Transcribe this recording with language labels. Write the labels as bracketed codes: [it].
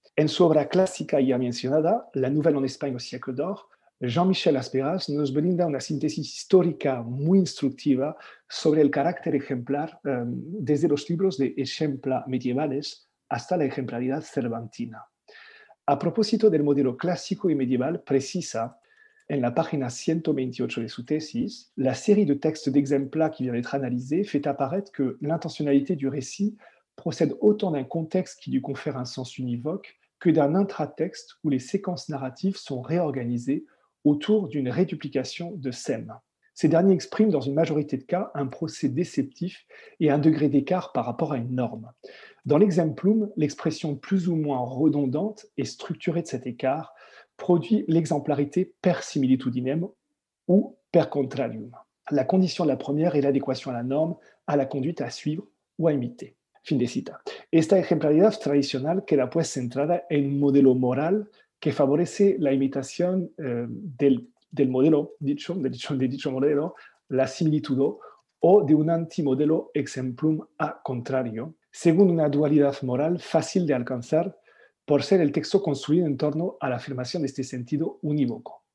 [es] En su obra clásica ya mencionada, La Nouvelle en Espagne au siècle d'or, Jean-Michel Aspéras nos brinda una síntesis histórica muy instructiva sobre el carácter ejemplar desde los libros de ejempla medievales hasta la ejemplaridad cervantina. A propósito del modelo clásico y medieval, precisa, en la página 128 de su tesis, [fr] la serie de textos d'exempla que viene d'être analysée fait apparaître que l'intentionnalité du récit procède autant d'un contexte qui lui confère un sens univoque que d'un intratexte où les séquences narratives sont réorganisées autour d'une réduplication de scènes. Ces derniers expriment dans une majorité de cas un procès déceptif et un degré d'écart par rapport à une norme. Dans l'exemplum, l'expression plus ou moins redondante et structurée de cet écart produit l'exemplarité per similitudinem ou per contrarium. La condition de la première est l'adéquation à la norme, à la conduite à suivre ou à imiter. [es] Fin de cita. Esta ejemplaridad tradicional queda pues centrada en un modelo moral que favorece la imitación del modelo, la similitud o de un antimodelo exemplum a contrario, según una dualidad moral fácil de alcanzar por ser el texto construido en torno a la afirmación de este sentido unívoco.